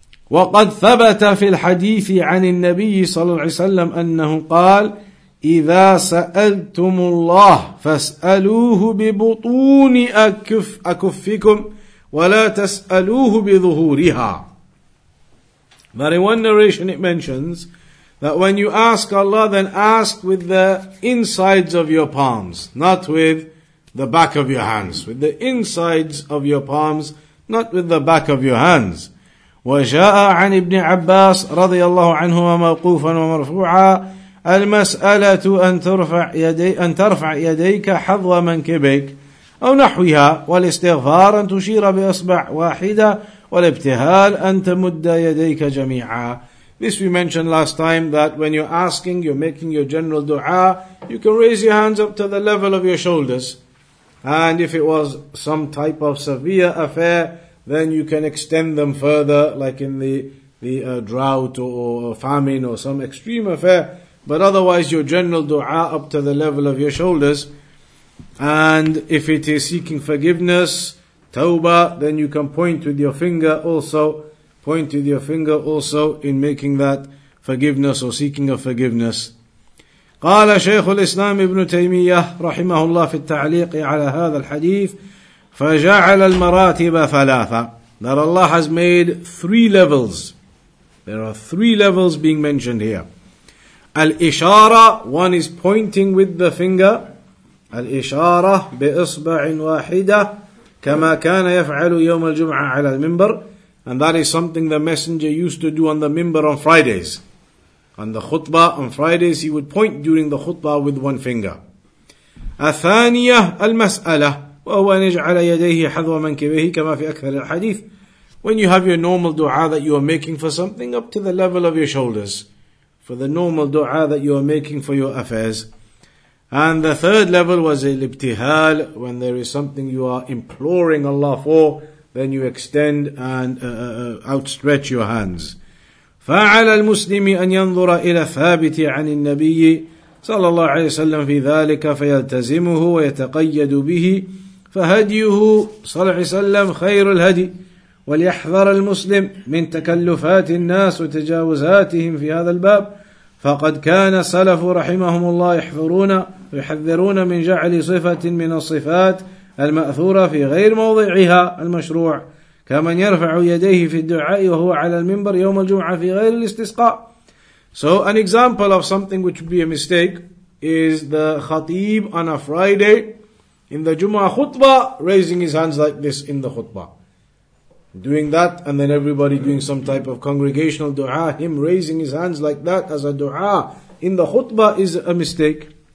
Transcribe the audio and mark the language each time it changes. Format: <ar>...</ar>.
<ar>وَقَدْ ثَبَتَ فِي الْحَدِيثِ عَنِ النَّبِيِّ صَلَى اللَّهِ عَلَيْهِ وَسَلَّمَ أَنَّهُ قَالَ إِذَا سَأَلْتُمُ اللَّهَ فَاسْأَلُوهُ بِبُطُونِ أَكُفِّكُمْ وَلَا تَسْأَلُوهُ بِظُهُورِهَا.</ar> <en>But in one narration it mentions that when you ask Allah, then ask with the insides of your palms, not with the back of your hands. With the insides of your palms, not with the back of your hands.</en> <ar>وَجَاءَ عَنْ إِبْنِ عَبَّاسٍ رَضِيَ اللَّهُ عَنْهُمَا مَوْقُوفًا وَمَرْفُوعًا الْمَسْأَلَةُ أَنْ تَرْفَعْ يَدَيْكَ حَظْوَ مَنْكِبِكَ أو نحوها والاستغفار أن تشير بأصبع واحدة والابتهال أن تمد يديك جميعا.</ar> <en>This we mentioned last time, that when you're asking, you're making your general dua, you can raise your hands up to the level of your shoulders. And if it was some type of severe affair, then you can extend them further, like in the drought or famine or some extreme affair. But otherwise, your general dua up to the level of your shoulders. And if it is seeking forgiveness, tawbah, then you can point with your finger also. Point with your finger also in making that forgiveness or seeking of forgiveness.</en> <ar>قال شيخ الإسلام ابن تيمية رحمه الله في التعليق على هذا الحديث فجعل المراتب ثلاثة.</ar> <en>That Allah has made three levels. There are three levels being mentioned here. الإشارة, one is pointing with the finger.</en> <ar>الإشارة بإصبع واحدة كما كان يفعل يوم الجمعة على المنبر.</ar> <en>And that is something the messenger used to do on the minbar on Fridays. On the khutbah on Fridays, he would point during the khutbah with one finger.</en> <ar>الثانيه المساله وهو ان يجعل يديه حذو منكبيه كما في اكثر الحديث.</ar> <en>When you have your normal dua that you are making for something up to the level of your shoulders, for the normal dua that you are making for your affairs. And the third level was الابتهال, when there is something you are imploring Allah for, then you extend and outstretch your hands.</en> <ar>فعلى المسلم أن ينظر إلى ثابت عن النبي صلى الله عليه وسلم في ذلك فيلتزمه ويتقيد به فهديه صلى الله عليه وسلم خير الهدي وليحذر المسلم من تكلفات الناس وتجاوزاتهم في هذا الباب فقد كان السلف رحمهم الله يحذرون من جعل صفة من الصفات المأثورة في غير موضعها المشروع كمن يرفع يديه في الدعاء وهو على المنبر يوم الجمعة في غير الاستسقاء.</ar> <en>So an example of something which would be a mistake is the khatib on a Friday in the Jum'ah khutbah raising his hands like this in the khutbah. Doing that and then everybody doing some type of congregational dua, him raising his hands like that as a dua in the khutbah is a mistake.</en>